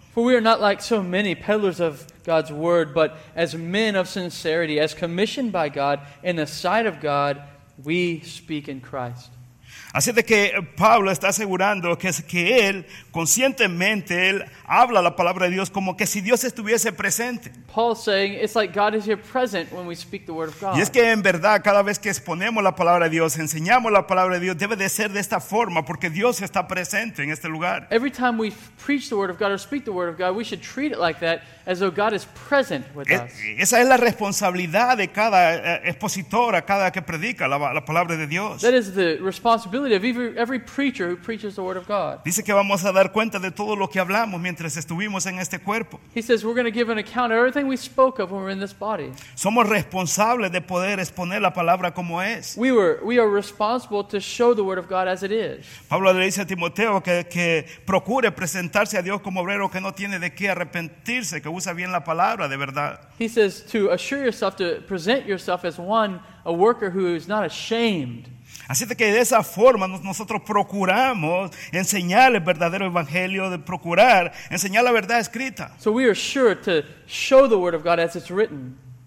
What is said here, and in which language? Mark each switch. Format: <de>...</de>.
<en>For we are not like so many peddlers of God's word, but as men of sincerity, as commissioned by God, in the sight of God, we speak in Christ.</en> <es>Así de que Pablo está asegurando que él conscientemente él habla la palabra de Dios como que si Dios estuviese presente.</es> <en>Paul saying it's like God is here present when we speak the word of God.</en> <es>Y es que en verdad cada vez que exponemos la palabra de Dios, enseñamos la palabra de Dios, debe de ser de esta forma porque Dios está presente en este lugar.</es> <en>Every time we preach the word of God or speak the word of God, we should treat it like that, as though God is present with us.</en> <es>Esa es la responsabilidad de cada expositor, a cada que predica la palabra de Dios.</es> <en>That is the responsibility of every preacher who preaches the word of God.</en> <es>Dice que vamos a dar cuenta de todo lo que hablamos mientras estuvimos en este cuerpo.</es> <en>He says we're going to give an account of everything we spoke of when we're in this body.</en> <es>Somos responsables de poder exponer la palabra como es.</es> <en>We are responsible to show the word of God as it is.</en> <es>Pablo le dice a Timoteo que procure presentarse a Dios como obrero que no tiene de qué arrepentirse, que usa bien la palabra de verdad.</es> <en>He says to assure yourself, to present yourself as one, a worker who is not ashamed.</en> <es>Así de que de esa forma nosotros procuramos enseñar el verdadero evangelio, de procurar enseñar la verdad escrita.</es> <en>So we are sure to show the word of God as it's written.</en>